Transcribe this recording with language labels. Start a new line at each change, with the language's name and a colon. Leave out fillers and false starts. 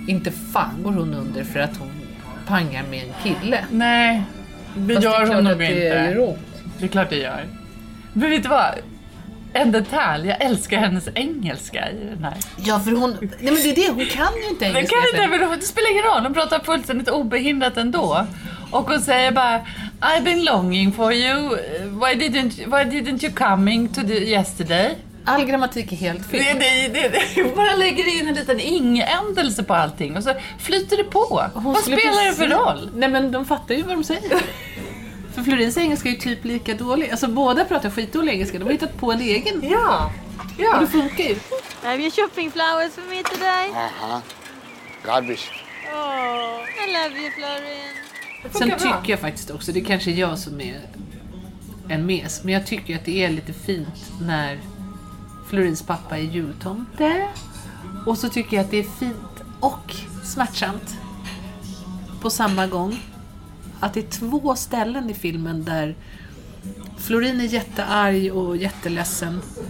Swedish: Inte fan går hon under för att hon pangar med en kille. Nej, det gör hon nog inte. Det är det är klart det gör. Men vet du vad? En detalj, jag älskar hennes engelska i den här. Ja, för hon, nej men det är det, hon kan ju inte engelska. Kan inte, men det spelar ingen roll, hon pratar fullständigt obehindrat ändå. Och hon säger bara,
English: I've been longing for you, why didn't you coming to the yesterday?
Swedish: All grammatik är helt fel. Det. Bara lägger in en liten ingändelse på allting och så flyter det på. Vad spelar det för roll? Nej, men de fattar ju vad de säger. För Florins engelska är ju typ lika dålig. Alltså båda pratar skitdålig engelska. De har hittat på en egen. Ja. Ja. Och det funkar ju.
English: Have you shopping flowers for me today? Garbage. Oh, I love you, Florin.
Swedish: Sen tycker jag faktiskt också, det kanske är jag som är en mes, men jag tycker att det är lite fint när Florins pappa är jultomte. Och så tycker jag att det är fint och smärtsamt på samma gång att det är 2 ställen i filmen där Florin är jättearg och jätteledsen.